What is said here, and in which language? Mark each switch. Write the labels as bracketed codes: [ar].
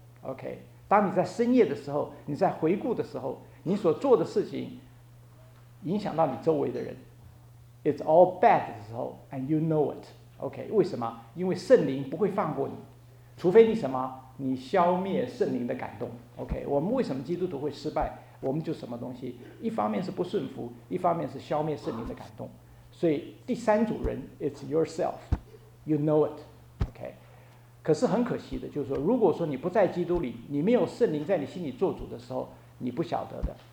[zh] OK， 当你在深夜的时候，你在回顾的时候，你所做的事情影响到你周围的人， [en] It's all bad [zh] 的时候， [en] And you know it。 [zh] OK， 为什么？因为圣灵不会放过你，除非你什么，你消灭圣灵的感动。 OK， 我们为什么基督徒会失败？我们就什么东西，一方面是不顺服，一方面是消灭圣灵的感动。所以第三组人 [en] It's yourself， You know it。 [zh] OK， 可是很可惜的就是说，如果说你不在基督里，你没有圣灵在你心里做主的时候，你不晓得的。